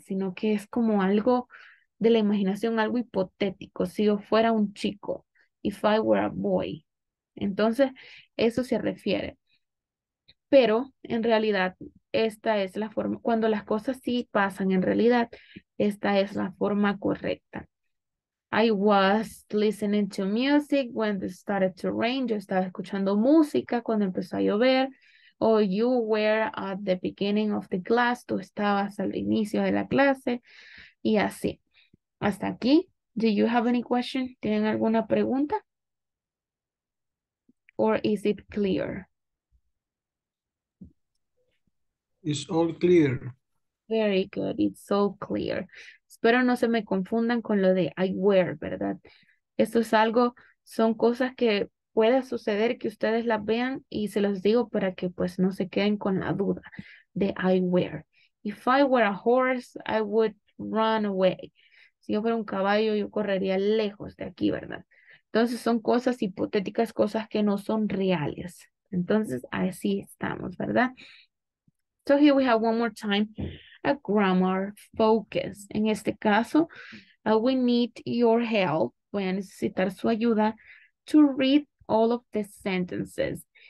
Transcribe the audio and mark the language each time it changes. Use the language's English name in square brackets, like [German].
[Spanish] Sino que es como algo de la imaginación, algo hipotético, si yo fuera un chico, [English] if I were a boy. [Spanish] Entonces, eso se refiere. Pero, en realidad, esta es la forma, cuando las cosas sí pasan en realidad, esta es la forma correcta. [English] I was listening to music when it started to rain. [Spanish] Yo estaba escuchando música cuando empezó a llover. [English] Or you were at the beginning of the class. [Spanish] Tú estabas al inicio de la clase. Y así. Hasta aquí. [English] Do you have any question? [Spanish] ¿Tienen alguna pregunta? [English] Or is it clear? It's all clear. Very good. It's all clear. [Spanish] Espero no se me confundan con lo de I wear, ¿verdad? Esto es algo, son cosas que puede suceder que ustedes las vean y se los digo para que pues no se queden con la duda de I wear. [English] If I were a horse, I would run away. [Spanish] Si yo fuera un caballo, yo correría lejos de aquí, ¿verdad? Entonces, son cosas hipotéticas, cosas que no son reales. Entonces, así estamos, ¿verdad? [English] So, here we have one more time, a grammar focus. [Spanish] En este caso, [English] we need your help, [Spanish] voy a necesitar su ayuda, [English] to read all of the sentences.